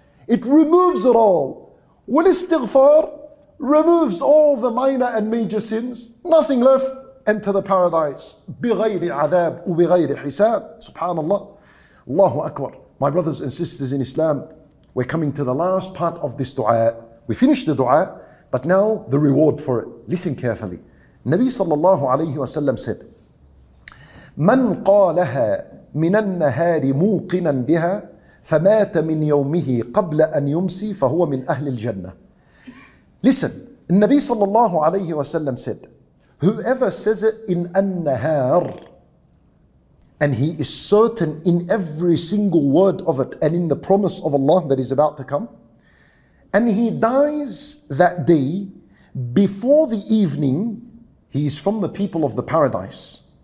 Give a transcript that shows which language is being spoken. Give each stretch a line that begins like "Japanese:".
English: It removes it all. Wal Istighfar removes all the minor and major sins. Nothing left. Enter the paradise.
Arabic: بِغَيْرِ عَذَابٍ وَبِغَيْرِ حِسَابٍ.
English: Subhanallah. Allahu Akbar. My brothers and sisters in Islam, we're coming to the last part of this dua. We finished the dua, but now the reward for it. Listen carefully. Nabi sallallahu alayhi wa sallam said,
Arabic: مَنْ قَالَهَا مِنَ النَّهَارِ مُوقِنًا بِهَا فَمَاتَ مِنْ يَوْمِهِ قَبْلَ أَنْ يُمْسِي فَهُوَ مِنْ أَهْلِ الْجَنَّةِ.
English: Listen, Nabi sallallahu alayhi wa sallam said, whoever says it in an-nahar, and he is certain in every single word of it and in the promise of Allah that is about to come, and he dies that day before the evening, he is from the people of the paradise.